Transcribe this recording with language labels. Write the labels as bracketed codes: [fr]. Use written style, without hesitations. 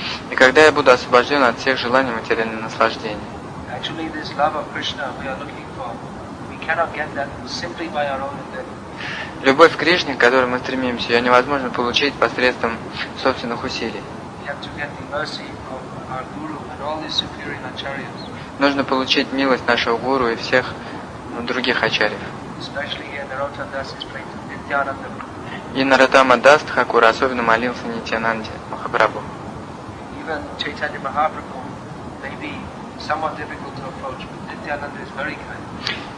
[ru] И когда я буду освобожден от всех желаний материального наслаждения. [en] Actually, this love of Krishna we are looking for, we cannot get that simply by our own endeavor. [ru] Любовь к Кришне, к которой мы стремимся, ее невозможно получить посредством собственных усилий. [en] We have to get the mercy of our guru and all the superior acharyas. [ru] Нужно получить милость нашего гуру и всех других ачарьев. [en] Especially here, Narottam Das is praying to Nityananda. [ru] И Наратама Дас Тхакура особенно молился Нитянанде Махапрабху. [en] Even Chaitanya Mahaprabhu may be somewhat difficult to approach, but Nityananda is very kind.